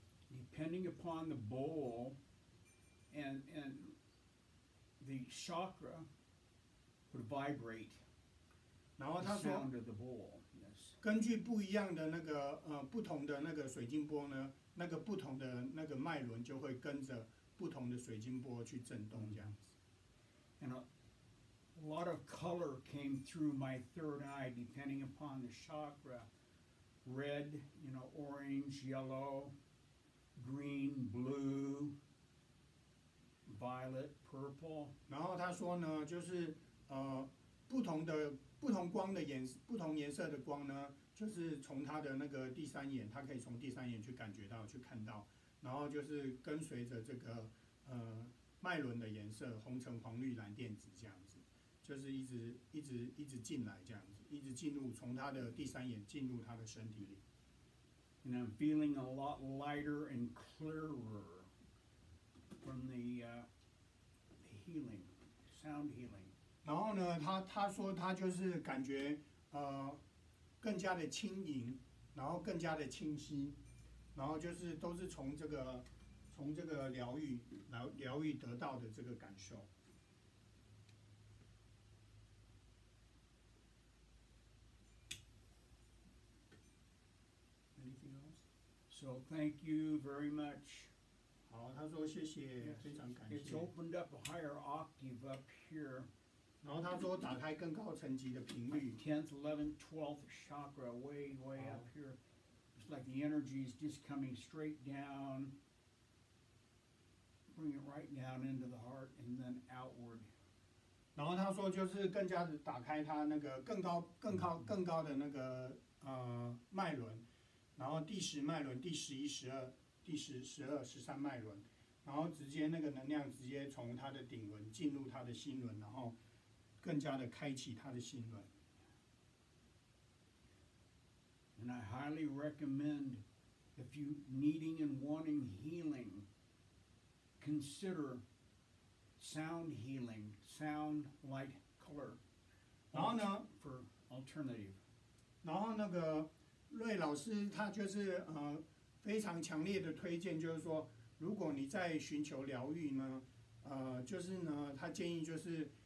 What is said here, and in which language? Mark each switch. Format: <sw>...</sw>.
<en>Depending upon the bowl and the chakra. Would vibrate.</en> <zh>然后他说</zh> <en>the sound of the bowl,、yes.</en> <zh>根据不一样的那个不同的那个水晶波呢，那个不同的那个脉轮就会跟着不同的水晶波去震动这样子。</zh> <en>And a lot of color came through my third eye, depending upon the chakra. Red, you know, orange, yellow, green, blue, violet, purple.</en> <zh>然后他说呢，就是不同颜色的光呢，就是从他的那个第三眼，他可以从第三眼去感觉到、去看到，然后就是跟随着这个脉轮的颜色，红橙黄绿蓝靛紫这样子，就是一直进来这样子，一直进入从他的第三眼进入他的身体里。</zh> <en>And I'm feeling a lot lighter and clearer from the healing, sound healing.</en> <zh>然后呢，他说他就是感觉更加的轻盈，然后更加的清晰，然后就是都是从这个疗愈得到的这个感受。</zh> <en>Anything else? So thank you very much.</en> <zh>好，他说谢谢，</zh> <en>yes,</en> <zh>非常感谢。</zh> <en>It's opened up a higher octave up here.</en> <zh>然后他说打开更高层级的频率</zh> <en>10th, 11th, 12th chakra way up here. It's like the energy is just coming straight down. Bring it right down into the heart and then outward.</en> <zh>然后他说就是更加的打开他那个更高的那个脉轮，然后第十脉轮、第十一、十二、第十、十二、十三脉轮，然后直接那个能量直接从他的顶轮进入他的心轮，然后更加的开启他的心轮。</zh> <en>And I highly recommend if you needing and wanting healing, consider sound healing, sound light color.</en> <zh>然后呢</zh> <en>？For alternative.</en> <zh>然后那个瑞老师他就是非常强烈的推荐，就是说如果你在寻求疗愈呢，就是呢，他建议就是。</zh>